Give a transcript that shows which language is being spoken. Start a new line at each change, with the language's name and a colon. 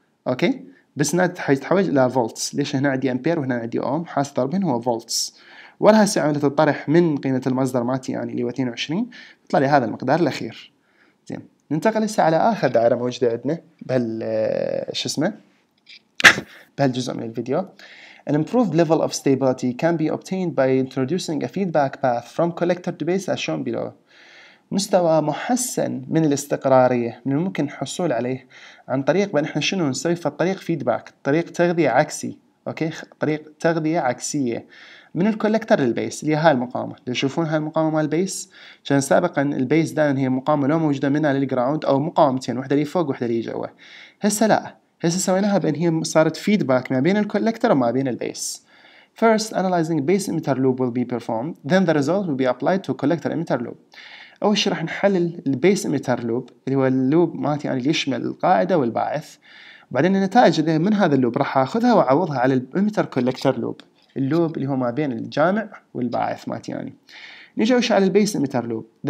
Arabic: اوكي، بس هنا تحول الى فولتس. ليش هنا عندي امبير وهنا عندي اوم؟ حاصل ضربهن هو فولتس. ولها عملية الطرح من قيمة المصدر ماتي يعني اللي هو 22 يطلع لي هذا المقدار الأخير. زين، ننتقل هسه على آخر دائرة موجودة عندنا بهال شو اسمه بهالجزء من الفيديو.
English: An improved level of stability can be obtained by introducing a feedback path from collector to base as shown below.
Arabic: مستوى محسن من الاستقرارية من الممكن الحصول عليه عن طريق بأن احنا شنو نسوي في الطريق فيدباك، طريق تغذية عكسي، اوكي، طريق تغذية عكسية من الكولكتر للبيس اللي هاي المقاومة. لو تشوفون هاي المقاومة مال البيس، كان سابقا البيس دائما هي مقاومة لو موجودة منها للجراوند او مقاومتين، واحدة لي فوق واحدة لي جوا. هسه لا، هسه سويناها بأن هي صارت فيدباك ما بين الكولكتر وما بين البيس.
English: First, analyzing base emitter loop will be performed. Then the result will be applied to collector emitter loop.
Arabic: أول شيء راح نحلل ال base emitter loop اللي هو اللوب مالتي يعني يشمل القاعدة والباعث. بعدين النتائج اللي من هذا اللوب راح أخذها وأعوضها على ال emitter collector loop، اللوب اللي هو ما بين الجامع والباعث مالتي يعني. نيجي وش على ال base emitter loop.